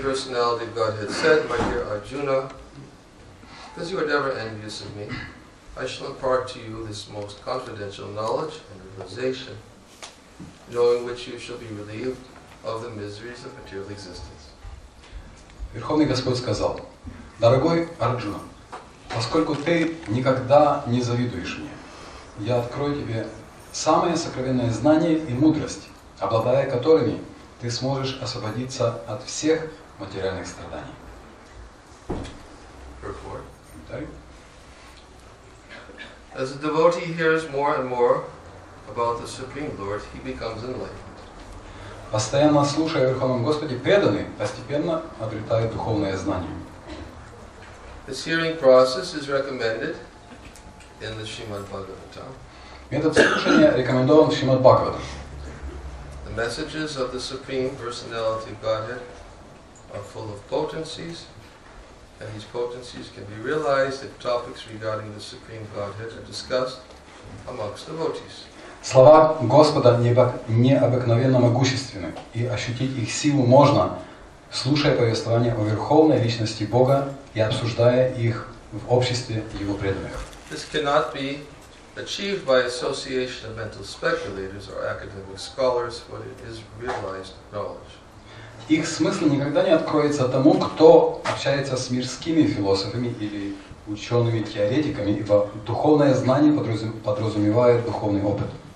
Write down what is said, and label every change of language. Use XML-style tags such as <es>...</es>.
<en>Personality of Godhead said, my dear Arjuna, because you are never envious of me, I shall impart to you this most confidential knowledge and realization, knowing which you shall be relieved of the miseries of material existence.</en> <ru>Верховный Господь сказал, «Дорогой Арджуна, поскольку ты никогда не завидуешь мне, я открою тебе самое сокровенное знание и мудрость, обладая которыми ты сможешь освободиться от всех материальных страданий».</ru> <en>As a devotee hears more and more about the Supreme Lord, he becomes enlightened.</en> <ru>Постоянно слушая о Верховном Господе, преданный постепенно обретает духовное знание.</ru> <en>This hearing process is recommended in the Srimad Bhagavatam.</en> <ru>Метод слушания рекомендован в Шримад Бхагаватам.</ru> <en>The messages of the Supreme Personality of Godhead are full of potencies. And these potencies can be realized if topics regarding the Supreme Godhead are discussed amongst devotees.</en> <ru>Слова Господа необыкновенно могущественны, и ощутить их силу можно, слушая повествования о Верховной Личности Бога и обсуждая их в обществе Его преданных.</ru> <en>This cannot be achieved by association of mental speculators or academic scholars, but it is realized knowledge.</en> <ru>Их смысл никогда не откроется тому, кто общается с мирскими философами или учеными-теоретиками, ибо духовное знание подразумевает духовный опыт.</ru>